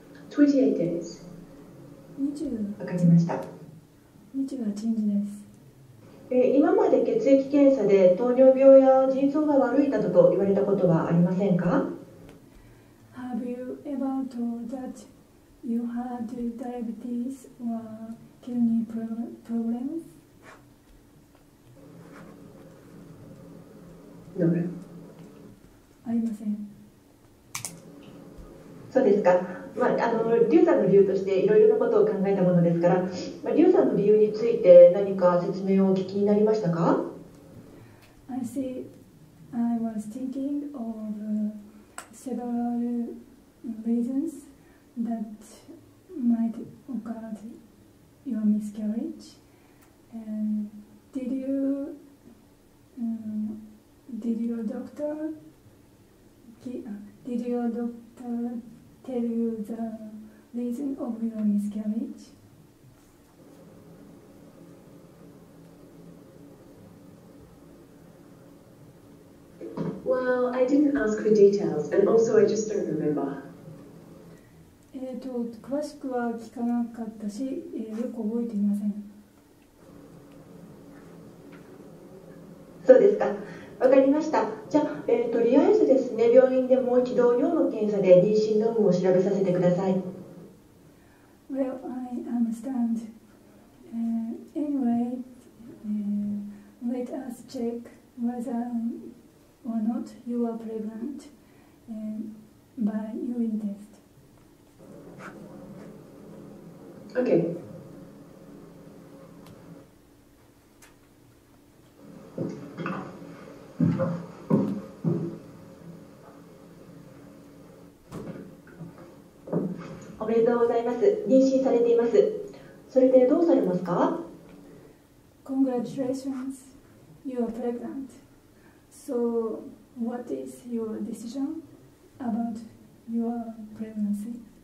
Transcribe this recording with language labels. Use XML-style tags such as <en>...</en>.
<en>28 days. 20?</en> <ja>分かりました。 28日です。今まで血液検査で糖尿病や腎臓が悪いなどと言われたことはありませんか？</ja> <en>Have you ever told that you had diabetes or kidney problems? No.</en> <ja>ありません。そうですか。まあ、リュウさんの理由としていろいろなことを考えたものですから、まあ、リュウさんの理由について何か説明をお聞きになりましたか？</ja> <en>I see. I was thinking of several reasons that might occur to your miscarriage. And did your doctor tell you the reason of your miscarriage? Well, I didn't ask for details, and also I just don't remember.</en> <ja>詳しくは聞かなかったし、よく覚えていません。そうですか。わかりました。じゃあ、とりあえずですね、病院でもう一度尿の検査で妊娠の有無を調べさせてください。</ja> <en>Well, I understand. Anyway, let us check whether or not you are pregnant by urine test. Okay.</en> <ja>おめでとうございます。妊娠されています。それでどうされますか？</ja> <en>Congratulations. You are pregnant. So, what is your decision about your pregnancy?</en>